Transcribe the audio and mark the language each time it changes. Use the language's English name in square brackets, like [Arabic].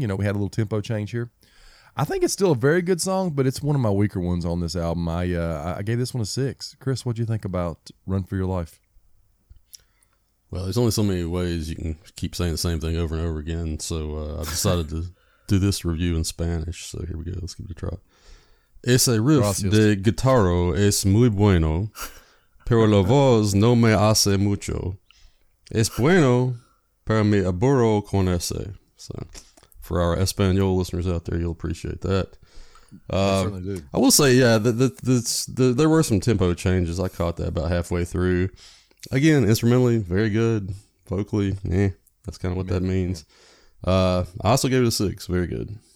[English] You know, we had a little tempo change here. I think it's still a very good song, but it's one of my weaker ones on this album. I gave this one a 6. Chris, what do you think about Run for Your Life? Well, there's only so many ways you can keep saying the same thing over and over again. So I decided to do this review in Spanish. So here we go. Let's give it a try. [Spanish] Ese riff de guitarra es muy bueno, pero la voz no me hace mucho. Es bueno, pero me aburro con ese. [English] So, for our Espanol listeners out there, you'll appreciate that. I certainly do. I will say, yeah, there were some tempo changes. I caught that about halfway through. Again, instrumentally, very good. Vocally, eh, that's kind of what that means. Yeah. I also gave it a 6. Very good.